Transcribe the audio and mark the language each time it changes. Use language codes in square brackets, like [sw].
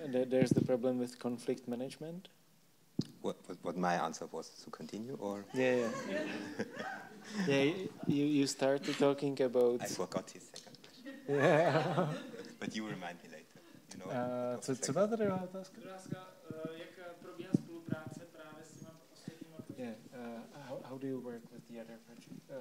[en] There's the problem with conflict management. What my answer was to continue, or? Yeah, yeah. Yeah, you started talking about... I forgot his second question. Yeah. But you remind me later. You know, [cs] co tady byla otázka? Otázka, jak probíhá spolupráce právě s těma ostatníma... [en] How do you work with the other project?